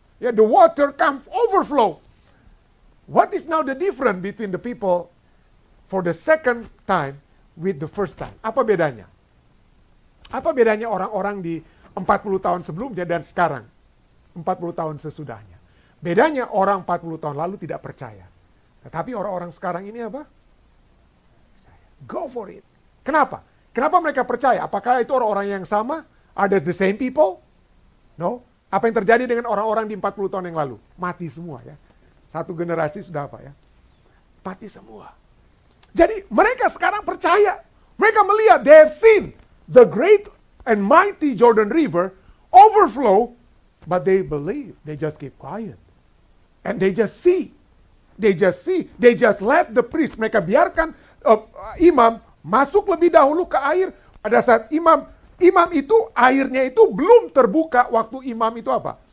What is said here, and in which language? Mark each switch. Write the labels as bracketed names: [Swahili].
[English] Yeah, the water come overflow. What is now the difference between the people for the second time with the first time? [Indonesian] Apa bedanya? Apa bedanya orang-orang di 40 tahun sebelumnya dan sekarang? 40 tahun sesudahnya. Bedanya orang 40 tahun lalu tidak percaya. Tetapi orang-orang sekarang ini apa? [English] Go for it. [Indonesian] Kenapa? Kenapa mereka percaya? Apakah itu orang-orang yang sama? [English] Are they the same people? No? [Indonesian] Apa yang terjadi dengan orang-orang di 40 tahun yang lalu? Mati semua ya. Satu generasi sudah apa ya? Mati semua. Jadi mereka sekarang percaya. Mereka melihat, [English] they have seen the great and mighty Jordan River overflow, but they believe. They just keep quiet. And they just see. They just see. They just let the priest. [Indonesian] Mereka biarkan imam masuk lebih dahulu ke air. Pada saat imam itu airnya itu belum terbuka waktu imam itu apa?